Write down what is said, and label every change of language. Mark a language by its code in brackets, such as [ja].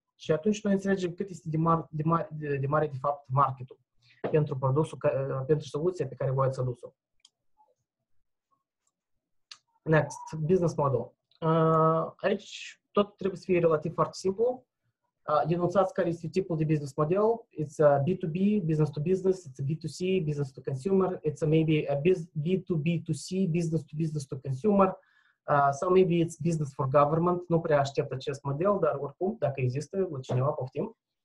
[ro] Și atunci noi înțelegem cât este de mare, de fapt, marketul pentru produsul, pentru soluția pe care voi ați adus-o. [en] Next, [ro] business model. Aici tot trebuie să fie relativ foarte simplu. Denunțați care este tipul de business model. [en] It's a B2B, business to business, it's a B2C, business to consumer, it's a maybe a B2B2C, business to business to consumer. [ro] Sau [en] maybe it's business for government. [ro] Nu prea aștept acest model, dar oricum, dacă există, la cineva poftim.